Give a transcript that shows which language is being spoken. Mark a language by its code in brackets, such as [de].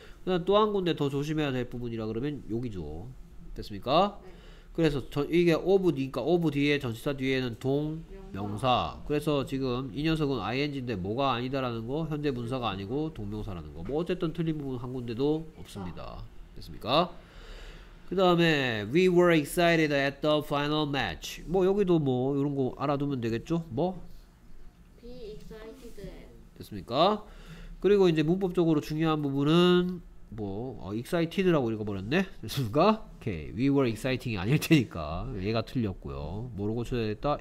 [ko] 그다음 또 한 군데 더 조심해야 될 부분이라 그러면 여기죠. 됐습니까? 네. 그래서 이게 오브니까 오브 뒤에 전치사 뒤에는 동 명사. 그래서 지금 이 녀석은 ing인데 뭐가 아니다라는 거 현재 분사가 아니고 동명사라는 거. 뭐 어쨌든 틀린 부분 한 군데도 없습니다. 됐습니까? [en] 그다음에 we were excited at the final match. [ko] 뭐 여기도 뭐 이런 거 알아두면 되겠죠? 뭐? [en] be excited. [ko] 됐습니까? 그리고 이제 문법적으로 중요한 부분은 뭐 excited라고 읽어버렸네. 됐습니까? 오케이. [en] We were exciting [ko] 이 아닐 테니까 얘가 틀렸고요. 뭐로 고쳐야 됐다?